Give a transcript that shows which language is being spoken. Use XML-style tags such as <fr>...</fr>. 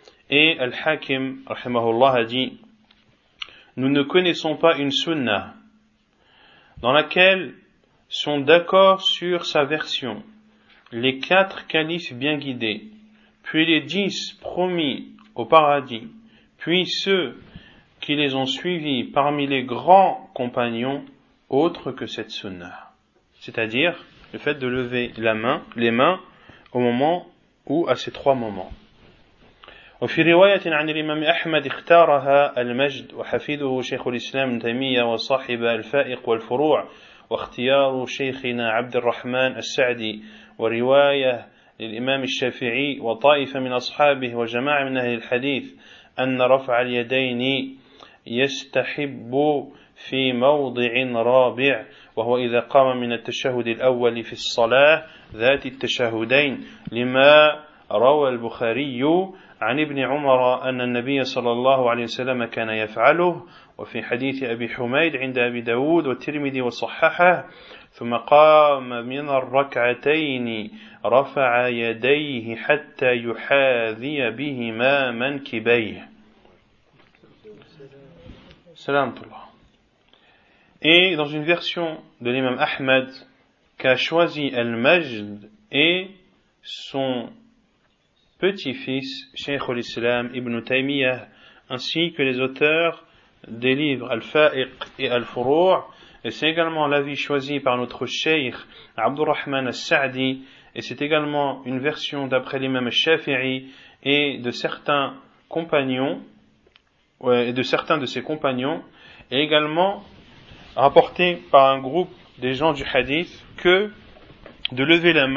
<fr>Et Al-Hakim, rahimahullah, a dit, nous ne connaissons pas une sunna dans laquelle sont d'accord sur sa version les 4 califes bien guidés, puis les 10 promis au paradis, puis ceux qui les ont suivis parmi les grands compagnons autres que cette sunna. C'est-à-dire le fait de lever les mains au moment ou à ces trois moments.</fr> <ar>وفي رواية عن الإمام أحمد اختارها المجد وحفيده شيخ الإسلام تيمية وصاحب الفائق والفروع واختيار شيخنا عبد الرحمن السعدي ورواية للإمام الشافعي وطائفة من أصحابه وجماعة من أهل الحديث أن رفع اليدين يستحب في موضع رابع وهو إذا قام من التشهد الأول في الصلاة ذات التشهدين لما روى البخاري عن ابن عمر أن النبي صلى الله عليه وسلم كان يفعله وفي حديث أبي حميد عند أبي داود والترمذي وصححه ثم قام من الركعتين رفع يديه حتى يحاذي بهما منكبيه. سلام الله.</ar> <fr>Et dans une version de l'imam Ahmed qu'a choisi Al-Majd et son petit-fils, Cheikh al-Islam, Ibn Taymiyyah, ainsi que les auteurs des livres Al-Fa'iq et Al-Furu', et c'est également l'avis choisi par notre cheikh Abdurrahman al-Sa'di, et c'est également une version d'après l'imam al-Shafi'i et de certains compagnons, et de certains de ses compagnons, et également rapporté par un groupe des gens du hadith que de lever</fr>